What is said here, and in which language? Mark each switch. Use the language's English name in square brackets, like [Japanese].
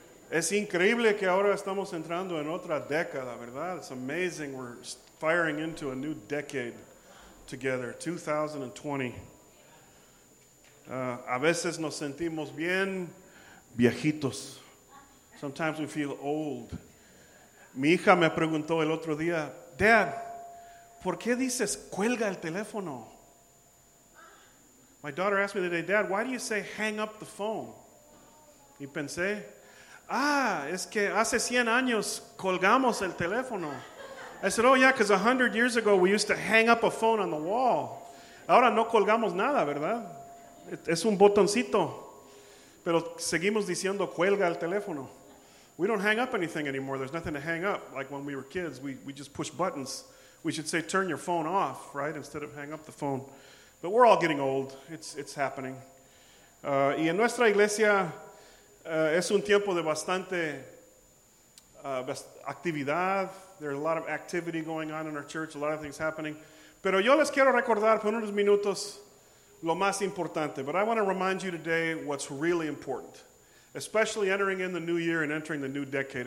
[Spanish] Es increíble que ahora estamos entrando en otra década, ¿verdad? [English] It's amazing we're firing into a new decade together, 2020. [Spanish] A veces nos sentimos bien viejitos. [English] Sometimes we feel old. [Spanish] Mi hija me preguntó el otro día, Dad, ¿por qué dices cuelga el teléfono? [English] My daughter asked me the other day, Dad, why do you say hang up the phone? [Spanish] Y pensé, es que hace 100 años colgamos el teléfono. [English] I said, oh yeah, because 100 years ago we used to hang up a phone on the wall. [Spanish] Ahora no colgamos nada, ¿verdad? Es un botoncito. Pero seguimos diciendo cuelga el teléfono. [English] We don't hang up anything anymore. There's nothing to hang up. Like when we were kids, we just push buttons. We should say turn your phone off, right? Instead of hang up the phone. But we're all getting old. It's happening. [Spanish] Y en nuestra iglesia es un tiempo de bastante actividad. [English] There's a lot of activity going on in our church. A lot of things happening. [Spanish] Pero yo les quiero recordar por unos minutos lo más importante. [English] But I want to remind you today what's really important. Especially entering in the new year and entering the new decade.